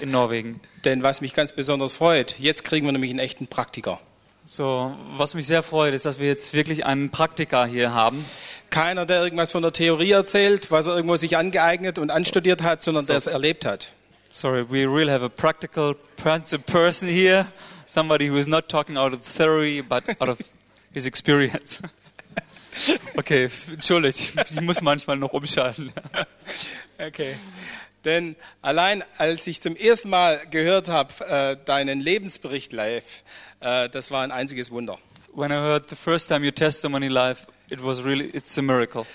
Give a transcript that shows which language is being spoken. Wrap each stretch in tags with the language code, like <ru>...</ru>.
<de>In Norwegen. Denn was mich ganz besonders freut, jetzt kriegen wir nämlich einen echten Praktiker. So, was mich sehr freut, ist, dass wir jetzt wirklich einen Praktiker hier haben. Keiner, der irgendwas von der Theorie erzählt, was er irgendwo sich angeeignet und anstudiert hat, sondern der es erlebt hat.</de> <en>Sorry, we really have a practical person here. Somebody who is not talking out of theory, but out of his experience.</en> <de>Okay, entschuldigt, ich muss manchmal noch umschalten. Okay, denn allein als ich zum ersten Mal gehört habe, deinen Lebensbericht live, das war ein einziges Wunder.</de> <en>When I heard the first time your testimony live, it's a miracle.</en>